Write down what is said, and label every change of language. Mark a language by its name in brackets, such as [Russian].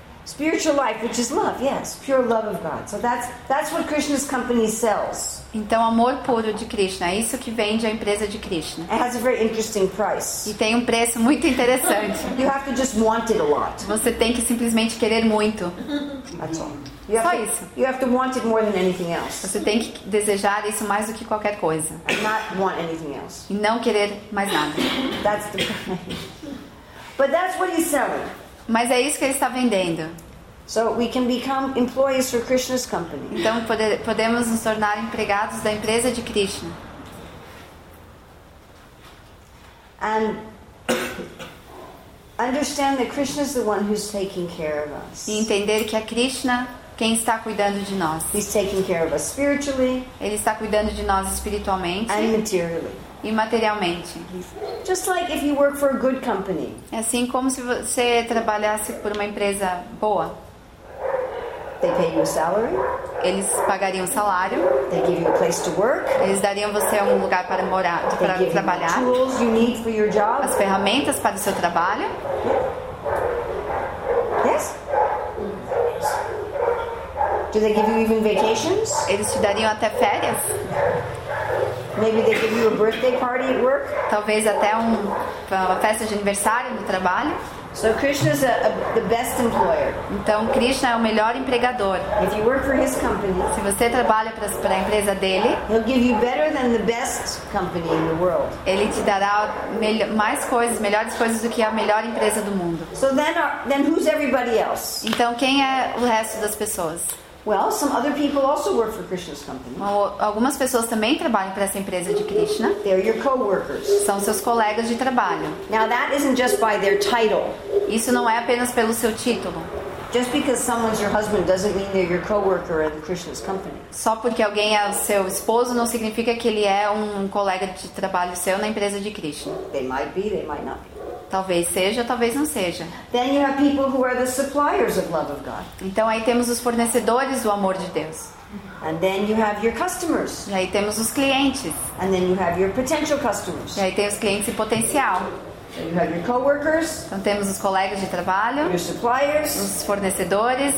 [English] Spiritual life, which is love, yes, pure love of God. So that's what Krishna's company sells. [Portuguese] Então, amor puro de Krishna, é isso que vende a empresa de Krishna. [English] It has a very interesting price. [Portuguese] E tem preço muito interessante. [English] You have to just want it a lot. [Portuguese] Você tem que simplesmente querer muito. [English] That's all. You have isso. You have to want it more than anything else. [Portuguese] Você tem que desejar isso mais do que qualquer coisa. [English] And not want anything else. [Portuguese] E não querer mais nada. [English] That's the point. But that's what he's selling. [Portuguese] Mas é isso que ele está vendendo. [English] So we can become employees for Krishna's company. [Portuguese] Então podemos nos tornar empregados da empresa de Krishna. [English] And understand that Krishna is the one who's taking care of us. [Portuguese] E entender que é Krishna quem está cuidando de nós. [English] He's taking care of us spiritually. [Portuguese] Ele está cuidando de nós espiritualmente. [English] And materially. [Portuguese] E materialmente. [English] Just like if you work for a good company. [Portuguese] Assim como se você trabalhasse por uma empresa boa. [English] They pay you a salary. [Portuguese] Eles pagariam salário. [English] They give you a place to work. [Portuguese] Eles dariam você um lugar para morar, para trabalhar. [English] They give you the tools you need for your job. [Portuguese] As ferramentas para o seu trabalho. [English] Yes. Do they give you even vacations? [Portuguese] Eles te dariam até férias? [English] Maybe they give you a birthday party at work. [Portuguese] Talvez até uma festa de aniversário no trabalho. [English] So Krishna is the best employer. [Portuguese] Então Krishna é o melhor empregador. [English] If you work for his company, [Portuguese] se você trabalha para a empresa dele, [English] he'll give you better than the best company in the world. [Portuguese] Ele te dará melhores coisas do que a melhor empresa do mundo. [English] So then who's everybody else? [Portuguese] Então quem é o resto das pessoas? [English] Well, some other people also work for Krishna's company. [Portuguese] Algumas pessoas também trabalham para essa empresa de Krishna. [English] They're your co-workers. [Portuguese] São seus colegas de trabalho. [English] Now that isn't just by their title. [Portuguese] Isso não é apenas pelo seu título. [English] Just because someone's your husband doesn't mean they're your co-worker at Krishna's company. [Portuguese] Só porque alguém é seu esposo não significa que ele é um colega de trabalho seu na empresa de Krishna. [English] They might be, they might not be. [Portuguese] Talvez seja, talvez não seja. [English] Then you have people who are the suppliers of love of God. [Portuguese] Então aí temos os fornecedores do amor de Deus. [English] And then you have your customers. [Portuguese] E aí temos os clientes. [English] And then you have your potential customers. [Portuguese] E aí tem os clientes em potencial. [English] So you have your coworkers. [Portuguese] Então temos os colegas de trabalho. [English] Your suppliers. [Portuguese] Os fornecedores.